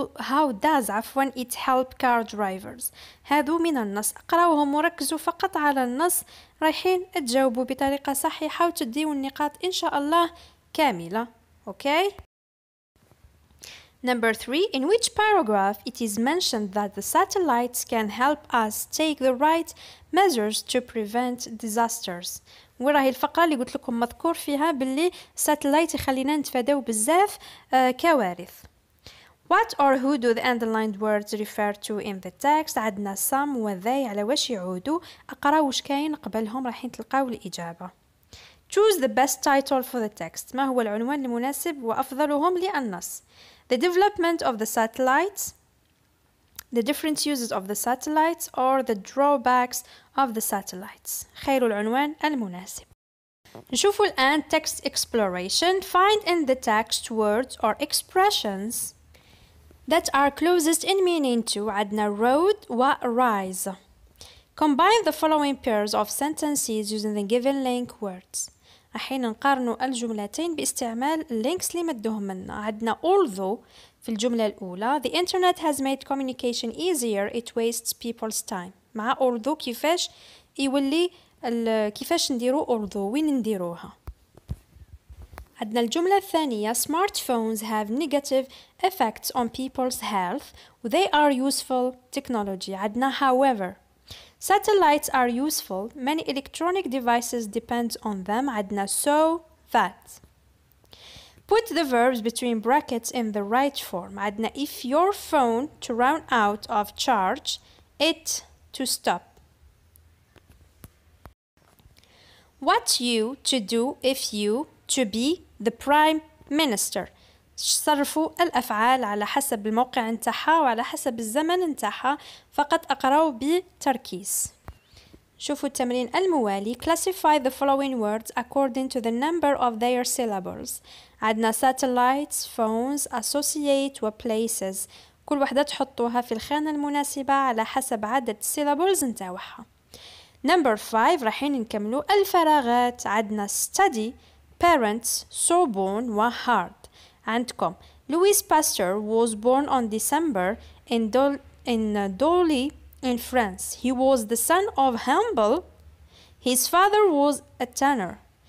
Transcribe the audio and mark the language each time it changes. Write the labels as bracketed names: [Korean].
[English] How does it help car drivers? [Arabic] هذو من النص، اقراوهم وركزوا فقط على النص، رايحين تجاوبوا بطريقة صحيحة وتديوا النقاط إن شاء الله كاملة. [English] Okay. Number 3. In which paragraph it is mentioned that the satellites can help us take the right measures to prevent disasters? [Arabic] وراهي الفقرة اللي قلت لكم مذكور فيها باللي ساتلايت يخلينا نتفادوا بزاف كوارث. [English] What or who do the underlined words refer to in the text? [Arabic] عندنا some وذي على واش يعودوا. أقرأ واش كاين قبلهم راحين تلقاو الإجابة. [English] Choose the best title for the text. [Arabic] ما هو العنوان المناسب وأفضلهم للنص. [English] The development of the satellites. The different uses of the satellites or the drawbacks of the satellites. [Arabic] خير العنوان المناسب. نشوفوا الآن [English] text exploration. Find in the text words or expressions that are closest in meaning to. [Arabic] عدنا [English] road و rise. Combine the following pairs of sentences using the given link words. [Arabic] رحين نقارن الجملتين باستعمال links اللي مدهم منا. عدنا although في الجملة الأولى. [English] The internet has made communication easier. It wastes people's time. [Arabic] مع although كيفاش يولي كيفاش نديرو although وين نديروها. عندنا الجملة الثانية. [English] Smartphones have negative effects on people's health. They are useful technology. [Arabic] عندنا [English] however. Satellites are useful. Many electronic devices depend on them. [Arabic] عندنا [English] so that. Put the verbs between brackets in the right form. [Arabic] عندنا [English] if your phone to run out of charge, it to stop. What you to do if you to be the prime minister. [Arabic] صرفوا الأفعال على حسب الموقع انتحى وعلى حسب الزمن انتحى. فقط أقرأوا بتركيز. شوفوا التمرين الموالي. [English] Classify the following words according to the number of their syllables. [Arabic] عدنا [English] satellites, phones, associate و places. [Arabic] كل واحدة تحطوها في الخانة المناسبة على حسب عدد syllables انتحى. [English] Number 5 [Arabic] راحين نكملوا الفراغات. عدنا [English] study, parents, so born و hard. عندكم Louis Pasteur was born on December in Dole in France. He was the son of humble. His father was a tanner.